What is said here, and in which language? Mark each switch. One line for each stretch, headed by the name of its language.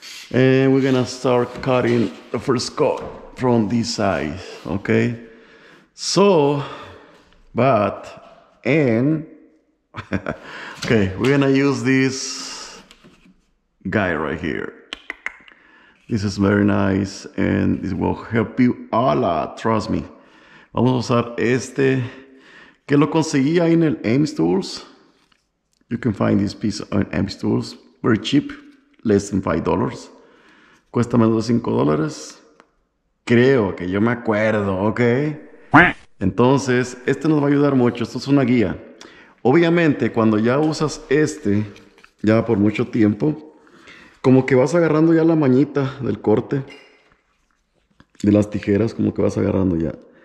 English: And we're gonna start cutting the first cut from this side, okay? So, but, and okay, we're gonna use this guy right here. This is very nice and this will help you a lot, trust me.
Spanish: Vamos a usar este que lo conseguí ahí en el Ames Tools.
English: You can find this piece on Ames Tools, very cheap, less than $5.
Spanish: Cuesta menos de $5, creo que yo me acuerdo, okay. Entonces, este nos va a ayudar mucho. Esto es una guía. Obviamente, cuando ya usas este, ya por mucho tiempo, como que vas agarrando ya la mañita del corte, de las tijeras, como que vas agarrando ya.